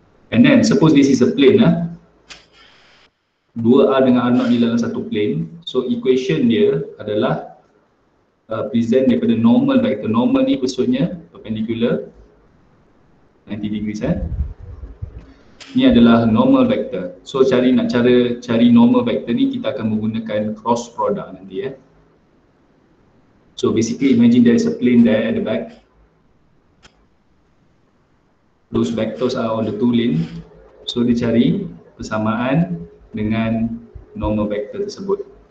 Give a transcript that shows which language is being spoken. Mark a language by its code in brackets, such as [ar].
[en] And then suppose this is a plane lah. [ms] 2R dengan R0 ni dalam satu plane. So equation dia adalah present daripada normal vector. Normal ni maksudnya [en] perpendicular 90 degrees, [ms] eh. Ni adalah normal vector. So cari normal vector ni, kita akan menggunakan cross product nanti, eh. [en] So basically imagine there is a plane there at the back. Those vectors are on the two lane. [ms] So dia cari persamaan dengan normal vector tersebut.